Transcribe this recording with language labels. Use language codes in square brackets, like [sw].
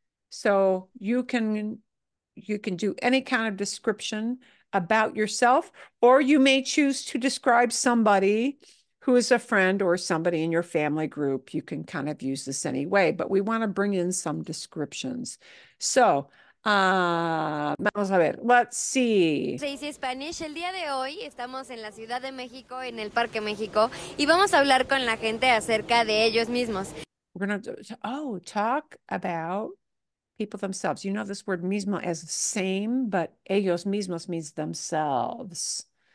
[en] So you can do any kind of description about yourself, or you may choose to describe somebody who is a friend or somebody in your family group. You can kind of use this anyway, but we want to bring in some descriptions. So, [es] vamos a ver, [en] let's see. [es] Se dice Spanish. El día de hoy estamos en la Ciudad de México, en el Parque México, y vamos a hablar con la gente acerca de ellos mismos. [en] We're going to talk about People themselves. You know this word mismo as same, but ellos mismos means themselves.